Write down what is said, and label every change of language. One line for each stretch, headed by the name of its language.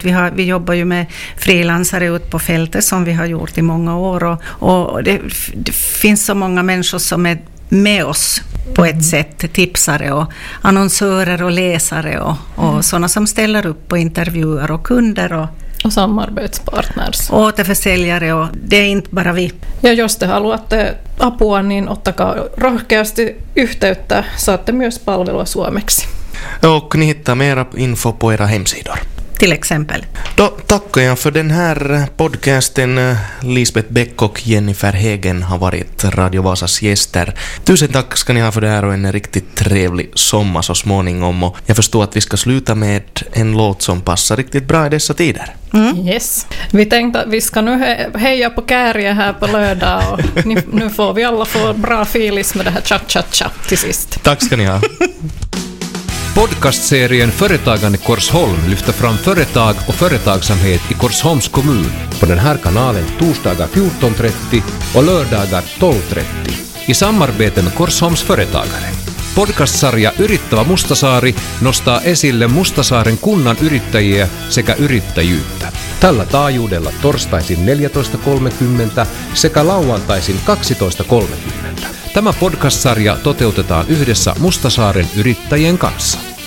Swedish: Att vi jobbar ju med frilansare ut på fältet som vi har gjort i många år och det finns så många människor som är med oss på ett sätt, tipsare och annonsörer och läsare och sådana som ställer upp och intervjuar och kunder och samarbetspartners. Och återförsäljare, och det är inte bara vi.
Finnish: Ja, jos te haluatte apua, niin ottakaa rohkeasti yhteyttä, saatte myös palvelua suomeksi.
Swedish: Och ni hittar mera info på era hemsidor. Till exempel. Då tackar jag för den här podcasten. Lisbeth Bäck och Jennifer Hägen har varit Radio Vasas gäster. Tusen tack ska ni ha för det här och en riktigt trevlig sommar så småningom. Och jag förstår att vi ska sluta med en låt som passar riktigt bra i dessa tider. Yes. Vi tänkte att vi ska nu heja på Kärje här på lördag. Och nu får vi alla få bra filis med det här cha-cha-cha till sist. Tack ska ni ha. Podcastserien Företagande Korsholm lyfter fram företag och företagsamhet i Korsholms kommun på den här kanalen torsdagar 14.30 och lördagar 12.30 i samarbete med Korsholms företagare.
Finnish: Podcast-sarja Yrittävä Mustasaari nostaa esille Mustasaaren kunnan yrittäjiä sekä yrittäjyyttä. Tällä taajuudella torstaisin 14.30 sekä lauantaisin 12.30. Tämä podcast-sarja toteutetaan yhdessä Mustasaaren yrittäjien kanssa.